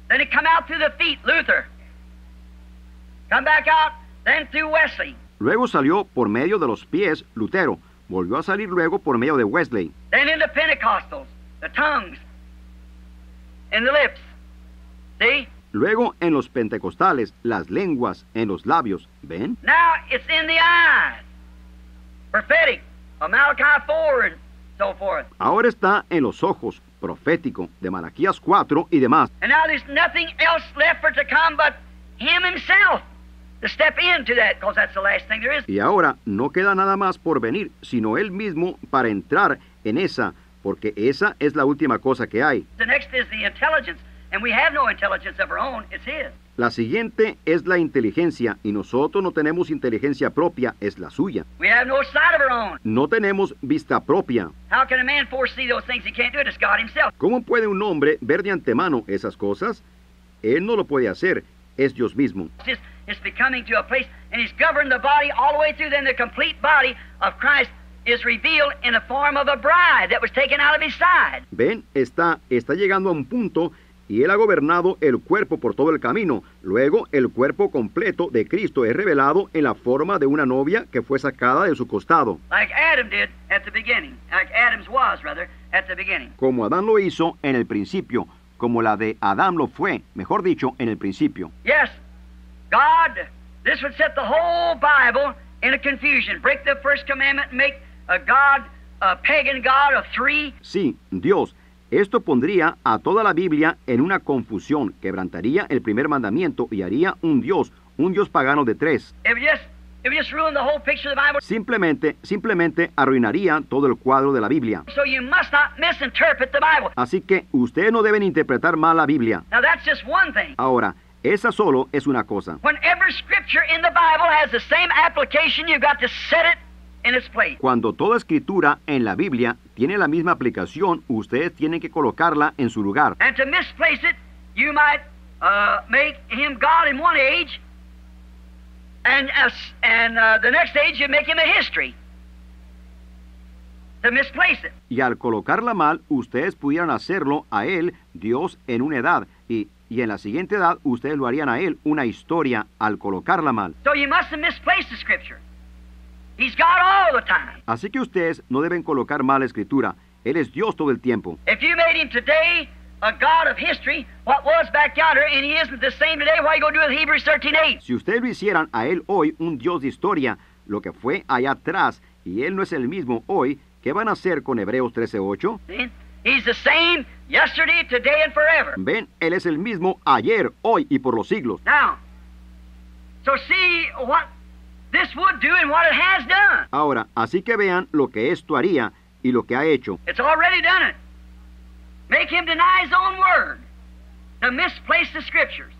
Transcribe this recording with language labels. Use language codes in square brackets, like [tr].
[en] Then it come out through the feet, Luther. Come back out, then through Wesley. [es] Luego salió por medio de los pies, Lutero. Volvió a salir luego por medio de Wesley. [en] Then in the Pentecostals, the tongues and the lips. See? [es] Luego en los pentecostales, las lenguas en los labios, ¿ven? [en] Now it's in the eyes. Prophetic. Malachi 4 and so forth. [es] Ahora está en los ojos, profético, de Malaquías 4 y demás. [en] And now there's nothing else left for to come but him himself to step into that, because that's the last thing there is. [es] Y ahora no queda nada más por venir, sino él mismo para entrar en esa, porque esa es la última cosa que hay. [en] The next is the intelligence. And we have no intelligence of our own, it's his. [es] La siguiente es la inteligencia, y nosotros no tenemos inteligencia propia, es la suya. [en] We have no sight of our own. [es] No tenemos vista propia. [en] How can a man foresee those things? He can't do it, it's God himself. [es] ¿Cómo puede un hombre ver de antemano esas cosas? Él no lo puede hacer, es Dios mismo. [en] It's becoming to a place, and he's governed the body all the way through, then the complete body of Christ is revealed in the form of a bride that was taken out of his side. [es] Ven, está llegando a un punto. Y él ha gobernado el cuerpo por todo el camino. Luego, el cuerpo completo de Cristo es revelado en la forma de una novia que fue sacada de su costado. [en] Like Adam did at the beginning. Like Adam's was, rather, at the beginning. [es] Como Adán lo hizo en el principio. Como la de Adán lo fue, mejor dicho, en el principio. [en] Yes, God, this would set the whole Bible in a confusion. Break the first commandment and make a God, a pagan God of three. [es] Sí, Dios. Esto pondría a toda la Biblia en una confusión, quebrantaría el primer mandamiento y haría un Dios pagano de tres. [en] If you just ruin the whole picture of the Bible. [es] Simplemente arruinaría todo el cuadro de la Biblia. [en] So you must not misinterpret the Bible. [es] Así que ustedes no deben interpretar mal la Biblia. [en] Now that's just one thing. [es] Ahora, esa solo es una cosa. [en] When every scripture in the Bible has the same application, you've got to set it. [es] Cuando toda escritura en la Biblia tiene la misma aplicación, ustedes tienen que colocarla en su lugar. [en] And to misplace it, you might make him God in one age, and the next age you make him a history. To misplace it. [es] Y al colocarla mal, ustedes pudieran hacerlo a él Dios en una edad, y en la siguiente edad ustedes lo harían a él una historia al colocarla mal. [en] So you mustn't misplace the scripture. He's God all the time. [es] Así que ustedes no deben colocar mal la escritura. Él es Dios todo el tiempo. [en] If you made him today a God of history, what was back yonder, and he isn't the same today, what are you going to do with Hebrews 13:8? [es] Si ustedes lo hicieran a él hoy un Dios de historia, lo que fue allá atrás, y él no es el mismo hoy, ¿qué van a hacer con Hebreos 13:8? [en] He's the same yesterday, today, and forever. [es] Ven, él es el mismo ayer, hoy, y por los siglos. [en] Now, so see what this would do and what it has done. [es] Ahora, así que vean lo que esto haría y lo que ha hecho. [en] It's already done it. Make him deny his own word, to misplace the scriptures.